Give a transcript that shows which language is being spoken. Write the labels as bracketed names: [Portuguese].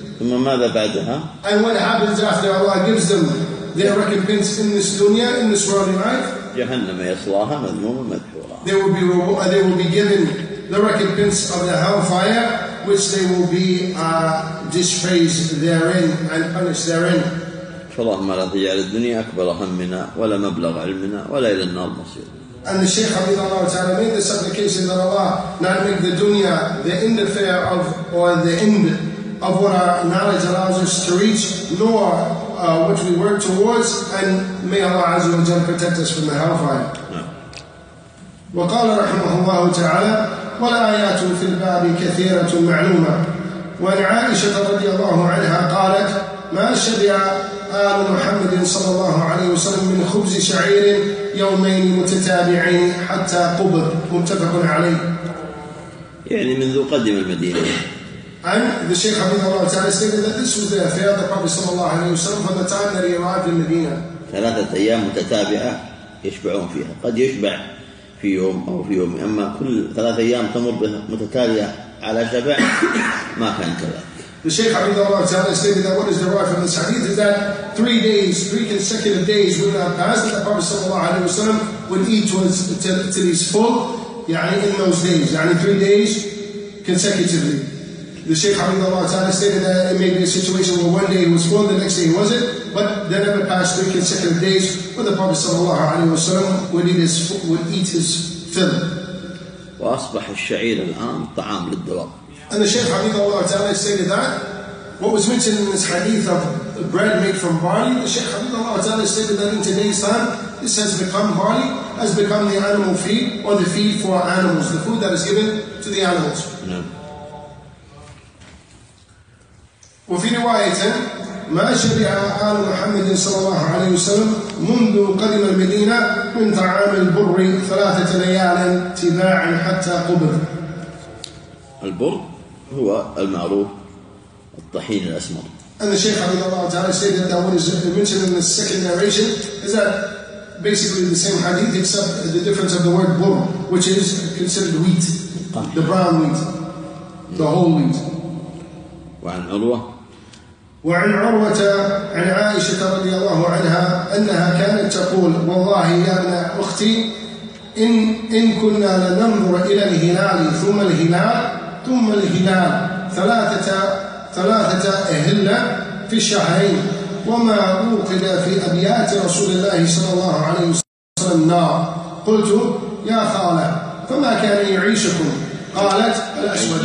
[English] And what happens after Allah gives them their recompense in this dunya, in this worldly life? [Arabic] جهنم يصلاها مذموما مدحورا. [English] They will be given the recompense of the hellfire, which they will be disgraced therein and punished therein. [Arabic] فالله ما لا تجعل الدنيا أكبر همنا ولا مبلغ علمنا ولا إلى النار مصير. [English] And the Shaykh Abid Allah Ta'ala made the supplication that Allah not make the dunya the end affair of or the end of what our knowledge allows us to reach, nor which we work towards, and may Allah Azza wa Jalla protect us from the hellfire. [Arabic] وقال رحمه الله تعالى والآيات في الباب كثيرة معلومة وعن عائشة رضي الله عنها قالت ما شبع آل محمد صلى الله عليه وسلم من خبز شعير يومين متتابعين حتى قبض متفق عليه. يعني منذ قدم المدينة. [English] And the Shaykh Abid Allah Ta'ala stated that this was the affair of the Prophet sallallahu alayhi wa sallam from the time that he arrived in Medina. [Arabic] ثلاثة أيام متتابعة يشبعون فيها. قد يشبع في يوم أو في يوم. أما كل ثلاثة أيام تمر متتالية على شبع ما كان كذلك. [English] The Shaykh Abid Allah Ta'ala stated that what is derived from this hadith is that three consecutive days would not pass that the Prophet sallallahu alayhi wa sallam would eat was till he's full, يعني in those days, يعني 3 days consecutively. The Shaykh Hafidhullah Ta'ala stated that it may be a situation where one day he was full, the next day he wasn't, but there never passed 3 consecutive days when the Prophet sallallahu alayhi wa sallam would eat his fill. [Arabic] وأصبح الشعير الآن طعام للدواب. [English] And the Shaykh Hafidhullah Ta'ala stated that what was mentioned in this hadith of bread made from barley, the Shaykh Hafidhullah Ta'ala stated that in today's time, this has become barley, has become the animal feed, or the feed for animals, the food that is given to the animals. [Arabic] وفي رواية ما شبع آل محمد صلى الله عليه وسلم منذ قدم المدينة من طعام البر 3 ليال تباعا حتى قبر. البر هو المعروف الطحين الأسمر. [English] And the Shaykh Hafidhullah Ta'ala stated that what is mentioned in the second narration is that basically the same hadith except the difference of the word bur, which is considered wheat, the brown wheat, the whole wheat. [Arabic] وعن عروة وعن عروة عن عائشة رضي الله عنها أنها كانت تقول والله يا ابن أختي إن كنا لننظر إلى الهلال ثم الهلال ثم الهلال ثلاثة أهلة في الشهرين وما أوقد في أبيات رسول الله صلى الله عليه وسلم نار قلت يا خالة فما كان يعيشكم قالت الأسود